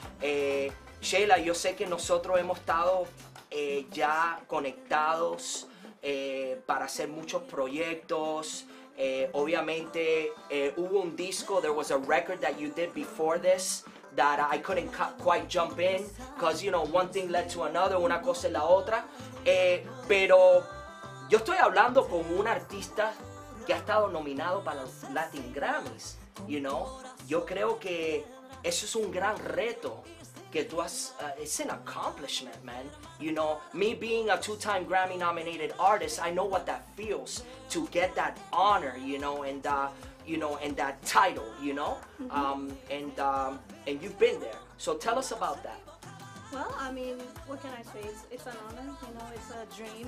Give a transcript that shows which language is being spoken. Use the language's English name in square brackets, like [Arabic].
[Spanish] Shayla, yo sé que nosotros hemos estado ya conectados para hacer muchos proyectos. Obviamente, hubo un disco, [English] there was a record that you did before this that I couldn't quite jump in because, you know, one thing led to another, [Spanish] una cosa y la otra. Pero yo estoy hablando con un artista que ha estado nominado para los Latin Grammys, [English] you know. [Spanish] Yo creo que eso es un gran reto. Que tú has, [English] it's an accomplishment, man. You know, me being a two-time Grammy-nominated artist, I know what that feels to get that honor, you know, and that title, you know. Mm-hmm. And you've been there. So tell us about that. Well, I mean, what can I say? It's an honor. You know, it's a dream.